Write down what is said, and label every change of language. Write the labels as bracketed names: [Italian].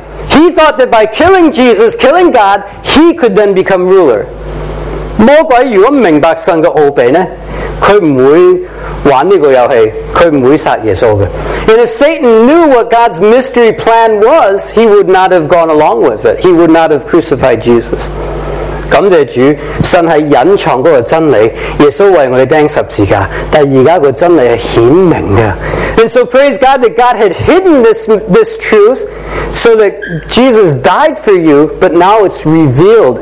[English] He thought that by killing Jesus, killing God, he could then become ruler. [Chinese] 魔鬼如果明白神的奥秘呢，他不会玩这个游戏，他不会杀耶稣的。 [English] And if Satan knew what God's mystery plan was, he would not have gone along with it. He would not have crucified Jesus. [Chinese] 感谢主，神是隐藏那个真理，耶稣为我们钉十字架，但现在那个真理是显明的。 [English] And so praise God that God had hidden this truth so that Jesus died for you, but now it's revealed.